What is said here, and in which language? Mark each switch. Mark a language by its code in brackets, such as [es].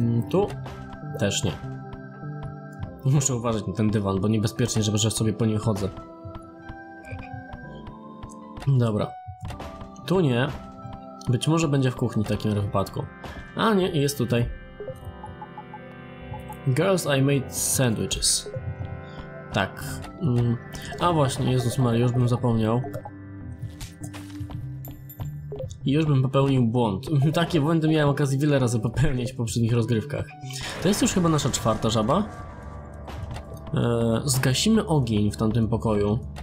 [pl] Tu? Też nie. Muszę uważać na ten dywan, bo niebezpiecznie, żeby sobie po nim chodzę. Dobra. Tu nie. Być może będzie w kuchni w takim wypadku. A nie, jest tutaj. [en] Girls, I made sandwiches. [pl] Tak. A właśnie, Jezus Maria, już bym zapomniał. I już bym popełnił błąd. Takie błędy miałem okazję wiele razy popełniać w poprzednich rozgrywkach. To jest już chyba nasza czwarta żaba. Zgasimy ogień w tamtym pokoju.